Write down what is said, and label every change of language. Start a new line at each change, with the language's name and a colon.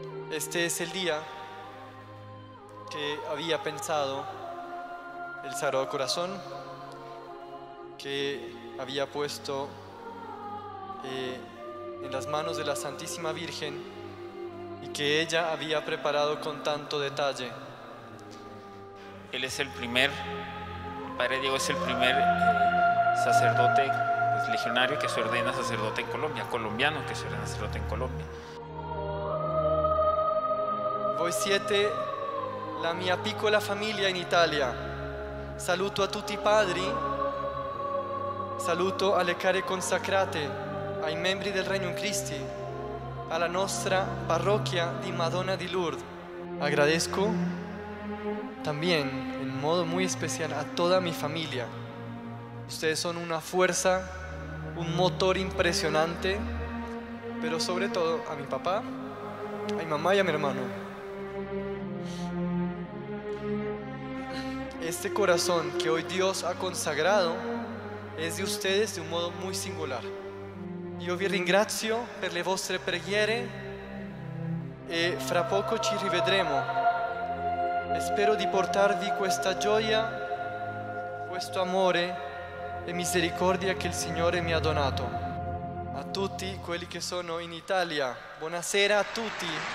Spanish: Este es el día que había pensado el Sagrado Corazón, que había puesto en las manos de la Santísima Virgen y que ella había preparado con tanto detalle. Él es el primer, el Padre Diego es el primer sacerdote, pues, legionario que se ordena sacerdote en Colombia, colombiano que se ordena sacerdote en Colombia.
Italian: Voi siete la mia piccola famiglia in Italia. Saluto a tutti i padri, saluto alle care consacrate, ai membri del Regno Christi, alla nostra parrocchia di Madonna di Lourdes.
Spanish: Agradezco también en modo muy especial a toda mi familia. Ustedes son una fuerza, un motor impresionante, pero sobre todo a mi papá, a mi mamá y a mi hermano. Este corazón que hoy Dios ha consagrado es de ustedes de un modo muy singular.
Italian: Yo vi ringrazio per le vostre preghiere e fra poco ci rivedremo. Spero di portarvi questa gioia, questo amore e misericordia che il Signore mi ha donato. A tutti quelli che sono in Italia, buonasera a tutti.